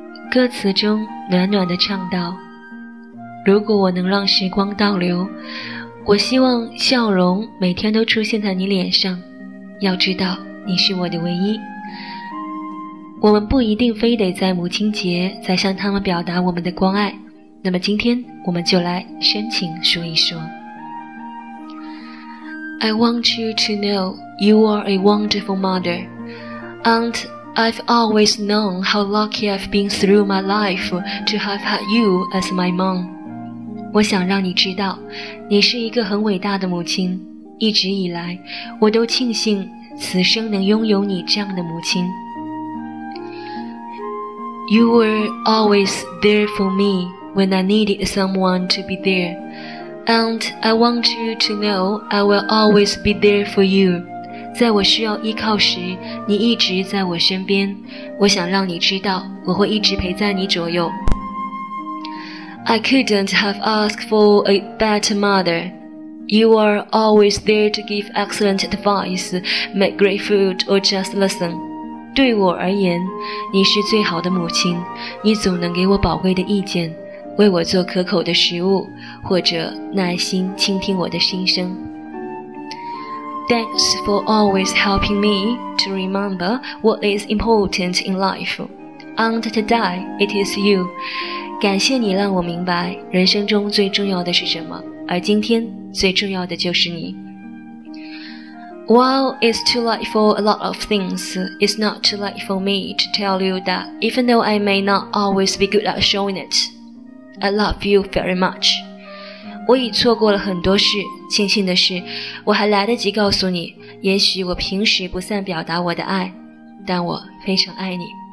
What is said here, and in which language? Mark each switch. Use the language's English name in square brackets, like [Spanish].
[Chinese] 歌词中暖暖地唱道，如果我能让时光倒流，我希望笑容每天都出现在你脸上，要知道你是我的唯一。我们不一定非得在母亲节才向他们表达我们的关爱，那么今天我们就来深情说一说。 [English] I want you to know you are a wonderful mother. AuntI've always known how lucky I've been through my life to have had you as my mom. [Chinese] 我想让你知道，你是一个很伟大的母亲。一直以来，我都庆幸此生能拥有你这样的母亲。 [English] You were always there for me when I needed someone to be there. And I want you to know I will always be there for you. [Chinese] 在我需要依靠时，你一直在我身边。我想让你知道，我会一直陪在你左右。 [English] I couldn't have asked for a better mother. You are always there to give excellent advice, make great food, or just listen. [Chinese] 对我而言，你是最好的母亲。你总能给我宝贵的意见，为我做可口的食物，或者耐心倾听我的心声。 [English] Thanks for always helping me to remember what is important in life. And today, it is you. [Chinese] 感谢你让我明白人生中最重要的是什么，而今天最重要的就是你。 [English] While it's too late for a lot of things, it's not too late for me to tell you that even though I may not always be good at showing it, I love you very much. [Chinese] 我已错过了很多事，庆幸的是我还来得及告诉你，也许我平时不善表达我的爱，但我非常爱你。